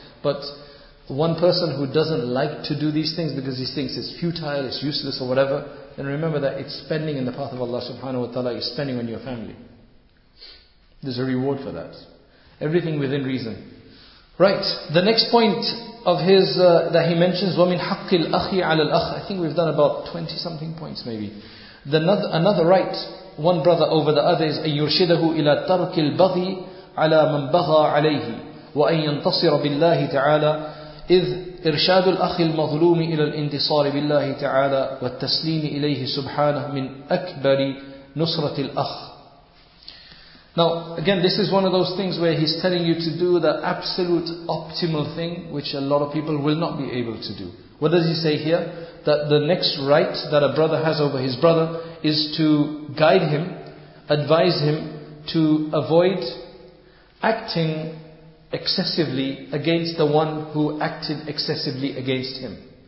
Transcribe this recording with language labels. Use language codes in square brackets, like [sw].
[en] But one person who doesn't like to do these things because he thinks it's futile, it's useless or whatever, then remember that it's spending in the path of Allah subhanahu wa ta'ala, it's spending on your family. There's a reward for that. Everything within reason. Right, the next point of his that he mentions, [ar] وَمِنْ حَقِّ الْأَخِي عَلَى الْأَخِ. [en] I think we've done about 20-something points maybe. Another right, one brother over the other, is [ar] أَنْ يُرْشِدَهُ إِلَىٰ تَرْكِ الْبَغِي عَلَىٰ مَنْ بَغَىٰ عَلَيْهِ وَأَنْ يَنْتَصِرَ بِاللَّهِ تَعَالَىٰ إذ إرشاد الأخ المظلوم إلى الانتصار بالله تعالى والتسليم إليه سبحانه من أكبر نصرة الأخ. [en] Now, again, this is one of those things where he's telling you to do the absolute optimal thing, which a lot of people will not be able to do. What does he say here? That the next right that a brother has over his brother is to guide him, advise him to avoid acting excessively against the one who acted excessively against him.